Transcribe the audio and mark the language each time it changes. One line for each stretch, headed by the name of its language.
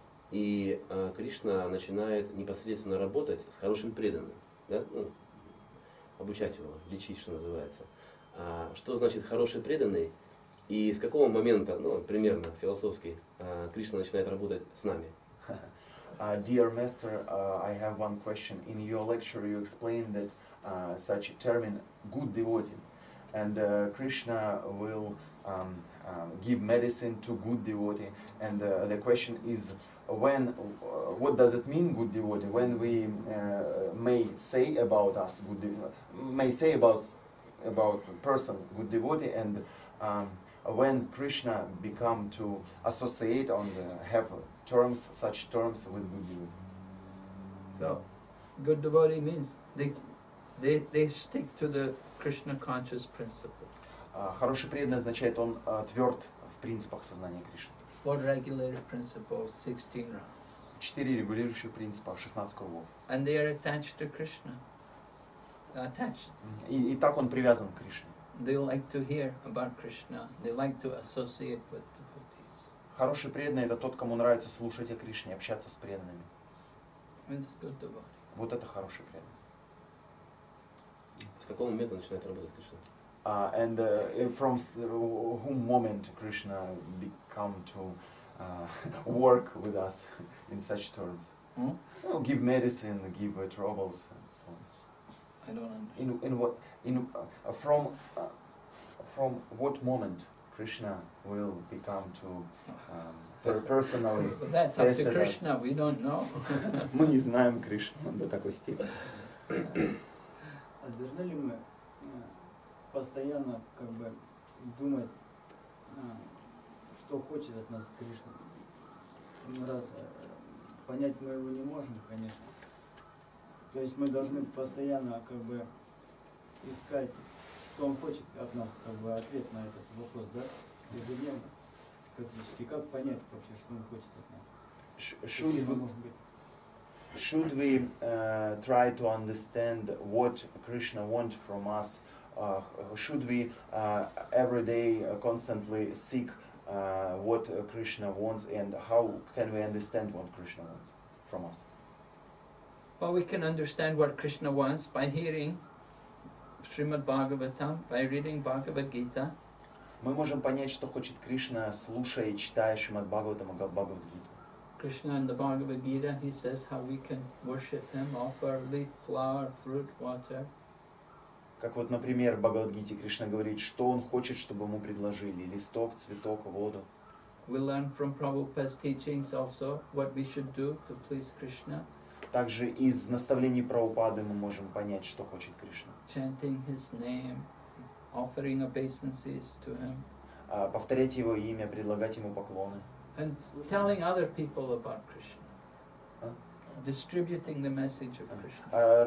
Russian: И Кришна начинает непосредственно работать с хорошим преданным. Да? Ну, обучать его, лечить, что называется. А что значит хороший преданный? И с какого момента, ну, примерно философски, Кришна начинает работать с нами?
English: Dear Master, I have one question. In your lecture you explained that such a termin good devotee. And Krishna will give medicine to good devotee. And the question is, when? What does it mean, good devotee? When we may say about us, good may say about person, good devotee, and when Krishna become to associate on have terms such terms with good devotee. So, good devotee means they stick to the Krishna conscious principle.
Russian: Хороший преданный означает он твёрд в принципах сознания Кришны.
English: Four regulative principles, 16 rounds.
Russian: Четыре регулирующих принципа, 16 кругов.
English: And they are attached to Krishna. Attached.
Russian: И так он привязан к Кришне.
English: They like to hear about Krishna. They like to associate with devotees.
Russian: Хороший преданный это тот, кому нравится слушать о Кришне, общаться с преданными.
English: It's good devotee.
Russian: Вот это хороший преданный. С какого момента начинает работать Кришна?
English: And from whom moment Krishna become to work with us in such terms? Mm-hmm. Well, give medicine, give troubles, and so on. I don't understand. From what moment Krishna will become to personally That's up to Krishna. We don't know.
Russian: Мы не знаем Кришну до такой степени. А должны ли мы постоянно как бы думать, что хочет от нас Кришна? Раз понять мы его не можем, конечно. То есть мы должны постоянно как бы искать, что он хочет от нас, как бы ответ на этот вопрос, да? Ежедневно. Практически. Как понять вообще, что он хочет от нас?
English: Should we try to understand what Krishna wants from us? Should we every day constantly seek what Krishna wants, and how can we understand what Krishna wants from us? Well, we can understand what Krishna wants by hearing Srimad Bhagavatam, by reading Bhagavad Gita.
Russian: Мы можем понять, что хочет Кришна, слушая и читая Шримад Бхагаватам и Бхагавад Гиту.
English: Krishna in the Bhagavad Gita, he says how we can worship him, offer leaf, flower, fruit, water.
Russian: Как вот, например, в Бхагавад Гите Кришна говорит, что он хочет, чтобы ему предложили листок, цветок, воду.
English: We learn from Prabhupada's teachings also what we should do to please Krishna.
Russian: Также из наставлений Прабхупады мы можем понять, что хочет Кришна.
English: Chanting his name, offering obeisances to him.
Russian: Повторять его имя, предлагать ему поклоны.
English: And telling other people about Krishna, distributing the message of Krishna.